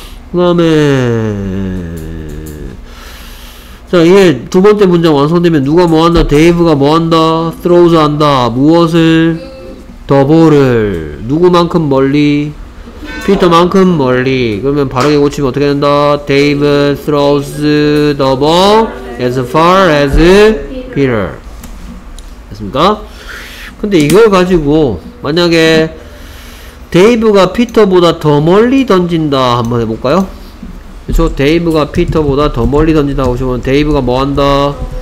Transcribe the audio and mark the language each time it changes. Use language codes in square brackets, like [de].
[ko] 그 다음에 자, 이게 두 번째 문장 완성되면 누가 뭐한다? 데이브가 뭐한다? throws 한다. 무엇을? 더 볼을. 누구만큼 멀리? 피터만큼 멀리. 그러면 바르게 고치면 어떻게 된다? [en] Dave throws the ball as far as Peter. [ko] 됐습니까? 근데 이걸 가지고 만약에 데이브가 피터보다 더 멀리 던진다 한번 해볼까요? 그쵸? 데이브가 피터보다 더 멀리 던진다 하시면 데이브가 뭐한다?